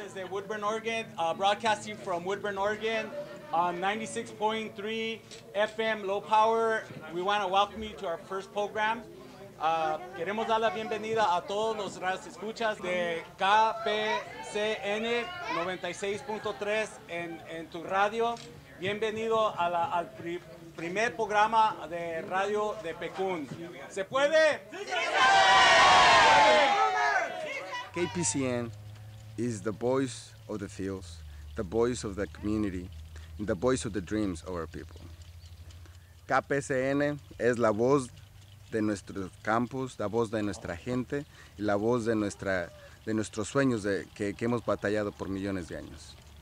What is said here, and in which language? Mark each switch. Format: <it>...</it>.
<en>Woodburn, Oregon, broadcasting from Woodburn, Oregon, 96.3 FM low power. We want to welcome you to our first program.</en> <es>Queremos dar la bienvenida a todos los radioescuchas de KPCN 96.3 en tu radio. Bienvenido al primer programa de radio de Pekun. ¿Se puede?</es> <en>KPCN is the voice of the fields, the voice of the community, and the voice of the dreams of our people.</en> <es>KPCN es la voz de nuestros campos, la voz de nuestra gente, y la voz de nuestros sueños que hemos batallado por millones de años.</es>